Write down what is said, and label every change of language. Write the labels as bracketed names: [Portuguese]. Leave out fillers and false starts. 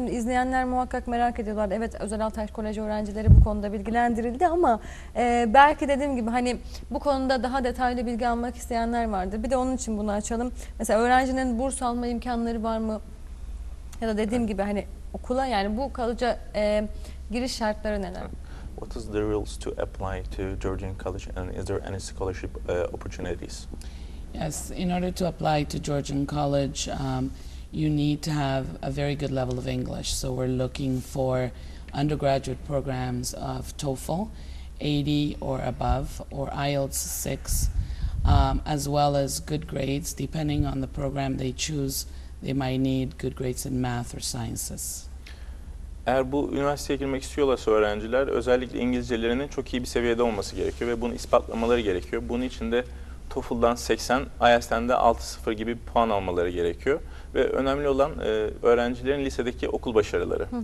[Turkish] Şimdi izleyenler muhakkak merak ediyorlar. Evet Özel Altaş Koleji öğrencileri bu konuda bilgilendirildi ama belki dediğim gibi hani bu konuda daha detaylı bilgi almak isteyenler vardır. Bir de onun için bunu açalım. Mesela öğrencinin burs alma imkanları var mı? Ya da dediğim gibi hani okula yani bu kalıcı giriş şartları neler? [English] What is the rules to apply to Georgian College and is there any scholarship opportunities? Yes, in order to apply to Georgian College, you need to have a very good level of English. So we're looking for undergraduate programs of TOEFL, 80 or above, or IELTS 6, as well as good grades. Depending on the program they choose, they might need good grades in math or sciences. [Turkish] Eğer bu üniversiteye girmek istiyorlarsa öğrenciler, özellikle İngilizcelerinin çok iyi bir seviyede olması gerekiyor ve bunu ispatlamaları gerekiyor. Bunun için de TOEFL'dan 80, IELTS'ten de 6.0 gibi bir puan almaları gerekiyor. Ve önemli olan öğrencilerin lisedeki okul başarıları.